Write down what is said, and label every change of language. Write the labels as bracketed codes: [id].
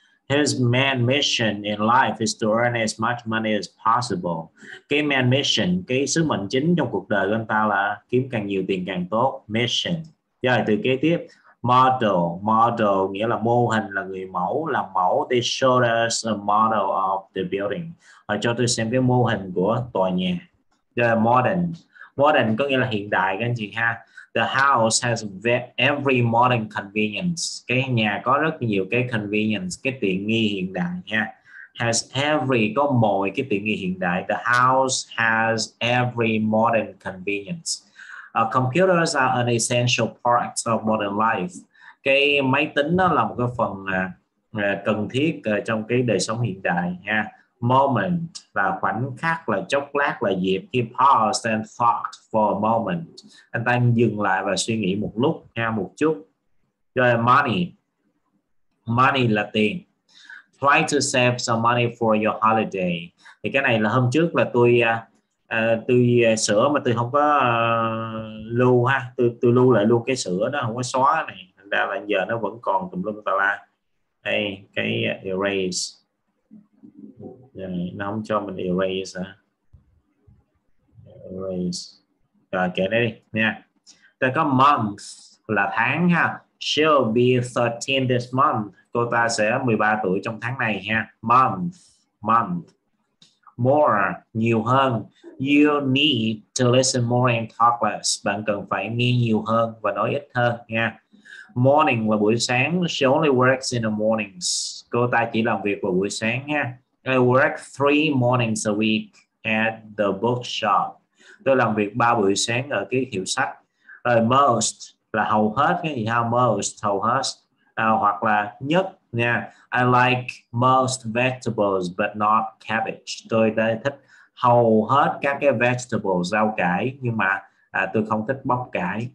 [en] His main mission in life is to earn as much money as possible. [vi] Cái main mission, cái sứ mệnh chính trong cuộc đời của anh ta là kiếm càng nhiều tiền càng tốt. Mission. Rồi từ kế tiếp, model. Model nghĩa là mô hình, là người mẫu, là mẫu. [en] They showed us a model of the building. [vi] Họ cho tôi xem cái mô hình của tòa nhà. Modern. Modern có nghĩa là hiện đại các anh chị ha. [en] The house has every modern convenience. [vi] Cái nhà có rất nhiều cái convenience, cái tiện nghi hiện đại nha. [en] Has every, [vi] có mọi cái tiện nghi hiện đại. [en] The house has every modern convenience. Computers are an essential part of modern life. [vi] Cái máy tính nó là một cái phần cần thiết trong cái đời sống hiện đại nha. Moment là khoảnh khắc, là chốc lát, là dịp. [en] He paused and thought for a moment. [vi] Anh ta dừng lại và suy nghĩ một lúc ha, một chút. Rồi money. Money là tiền. [en] Try to save some money for your holiday. [vi] Thì cái này là hôm trước là tôi sửa mà tôi không có lưu ha. Tôi lưu lại luôn cái sửa đó, không có xóa này. Thành ra là giờ nó vẫn còn tùm lum tà la. Đây cái erase. Rồi, nó không cho mình erase hả? Erase. Rồi kể đây đi nha. Ta có month là tháng ha. [en] She'll be 13 this month. [vi] Cô ta sẽ 13 tuổi trong tháng này ha. [en] Month. Month. More. [vi] Nhiều hơn. [en] You need to listen more and talk less. [vi] Bạn cần phải nghe nhiều hơn và nói ít hơn nha. Morning là buổi sáng. [en] She only works in the mornings. [vi] Cô ta chỉ làm việc vào buổi sáng nha. [en] I work 3 mornings a week at the bookshop. [vi] Tôi làm việc 3 buổi sáng ở cái hiệu sách. Rồi most là hầu hết, cái gì ha? Most, hầu hết. Hoặc là nhất nha. [en] I like most vegetables but not cabbage. [vi] Tôi đây thích hầu hết các cái vegetables, rau cải, nhưng mà tôi không thích bắp cải.